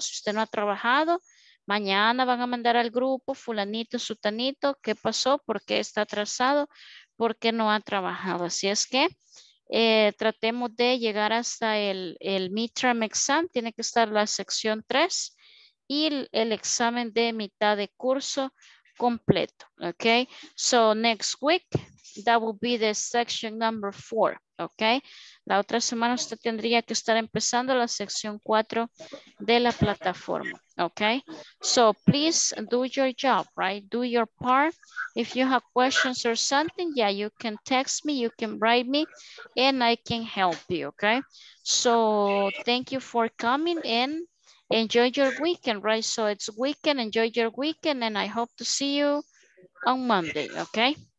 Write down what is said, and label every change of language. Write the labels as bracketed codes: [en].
[es] Si usted no ha trabajado, mañana van a mandar al grupo fulanito, sutanito, ¿qué pasó? ¿Por qué está atrasado? ¿Por qué no ha trabajado? Así es que tratemos de llegar hasta el midterm exam. Tiene que estar la sección 3 y el examen de mitad de curso completo. [en] Okay, so next week, that will be the section number 4. [es] Okay, la otra semana usted tendría que estar empezando la sección 4 de la plataforma. [en] Okay, so please do your job, right? Do your part. If you have questions or something, yeah, you can text me, you can write me, and I can help you. Okay, so thank you for coming in. Enjoy your weekend, right? So it's weekend, enjoy your weekend, and I hope to see you on Monday, okay?